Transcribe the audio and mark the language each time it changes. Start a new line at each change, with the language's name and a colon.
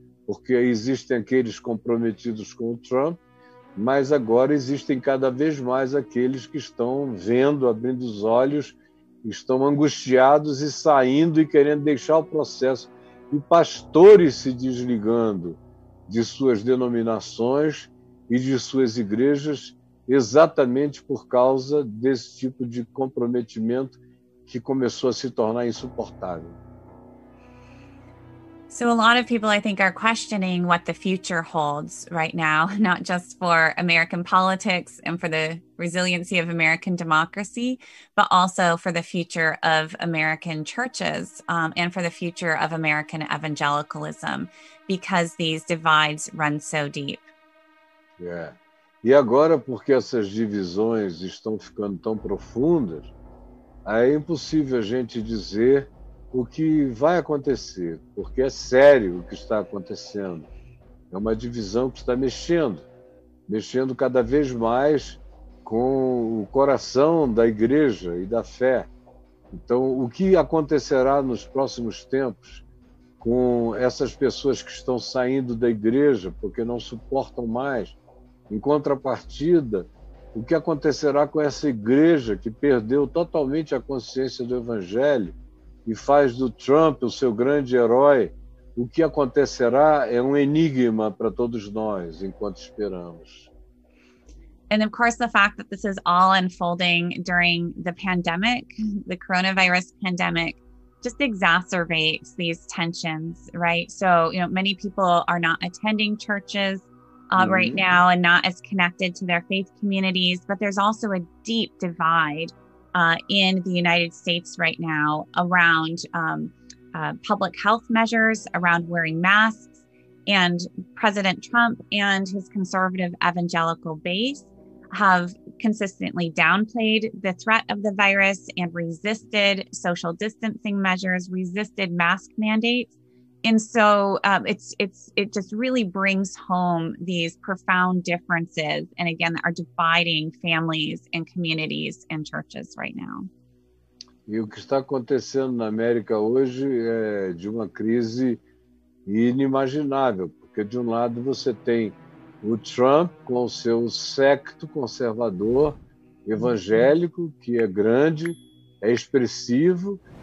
Portuguese: Porque existem aqueles comprometidos com o Trump, mas agora existem cada vez mais aqueles que estão vendo, abrindo os olhos, estão angustiados e saindo e querendo deixar o processo. E pastores se desligando de suas denominações e de suas igrejas, exatamente por causa desse tipo de comprometimento que começou a se tornar insuportável.
English: So a lot of people, I think, are questioning what the future holds right now, not just for American politics and for the resiliency of American democracy, but also for the future of American churches and for the future of American evangelicalism, because these divides run so deep. Yeah.
Portuguese: E agora, porque essas divisões estão ficando tão profundas, é impossível a gente dizer o que vai acontecer, porque é sério o que está acontecendo. É uma divisão que está mexendo cada vez mais com o coração da igreja e da fé. Então, o que acontecerá nos próximos tempos com essas pessoas que estão saindo da igreja porque não suportam mais? Em contrapartida, o que acontecerá com essa igreja que perdeu totalmente a consciência do evangelho e faz do Trump o seu grande herói? O que acontecerá é enigma para todos nós, enquanto esperamos.
English: And of course, the fact that this is all unfolding during the pandemic, the coronavirus pandemic, just exacerbates these tensions, right? So, you know, many people are not attending churches right now and not as connected to their faith communities, but there's also a deep divide in the United States right now around public health measures, around wearing masks, and President Trump and his conservative evangelical base have consistently downplayed the threat of the virus and resisted social distancing measures, resisted mask mandates. And so it just really brings home these profound differences, and again, are dividing families and communities and churches right now.
Portuguese: E o que está acontecendo na América hoje é de uma crise inimaginável, porque de lado você tem o Trump com o seu secto conservador evangélico, que é grande, é expressivo,